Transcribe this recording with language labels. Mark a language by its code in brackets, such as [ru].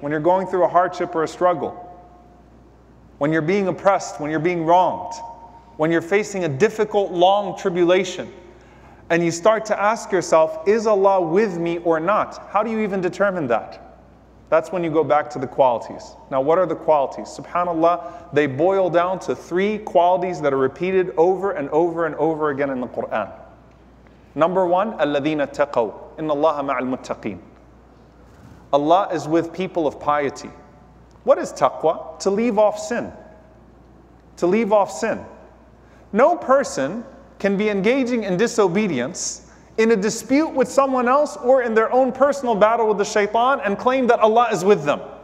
[en] When you're going through a hardship or a struggle, when you're being oppressed, when you're being wronged, when you're facing a difficult, long tribulation, and you start to ask yourself, is Allah with me or not? How do you even determine that? That's when you go back to the qualities. Now, what are the qualities? SubhanAllah, they boil down to three qualities that are repeated over and over and over again in the Quran. Number one, [ar] الَّذِينَ تَقَوْا إِنَّ اللَّهَ مَعَ الْمُتَّقِينَ. [en] Allah is with people of piety. What is taqwa? To leave off sin. To leave off sin. No person can be engaging in disobedience in a dispute with someone else or in their own personal battle with the shaitan and claim that Allah is with them.